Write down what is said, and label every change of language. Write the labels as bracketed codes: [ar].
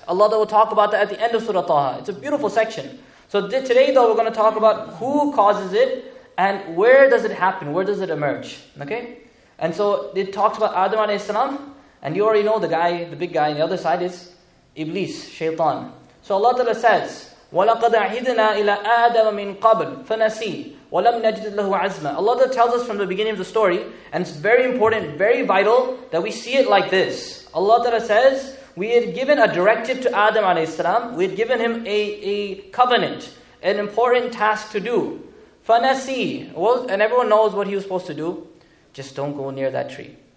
[en] Allah will talk about that at the end of Surah Taha. It's a beautiful section. So today though, we're going to talk about who causes it, and where does it happen? Where does it emerge? Okay? And so it talks about Adam alayhi salam, and you already know the guy, the big guy on the other side is Iblis, Shaytan. So Allah Ta'ala says, [ar] وَلَقَدْ عَهِدْنَا إِلَىٰ آدَمَ مِنْ قَبْلٍ فَنَسِي وَلَمْ نَجِدْ لَهُ عَزْمًا. [en] Allah Ta'ala tells us from the beginning of the story, and it's very important, very vital, that we see it like this. Allah Ta'ala says, we had given a directive to Adam alayhi salam, we had given him a covenant, an important task to do. Fanasi, well, and everyone knows what he was supposed to do. Just don't go near that tree.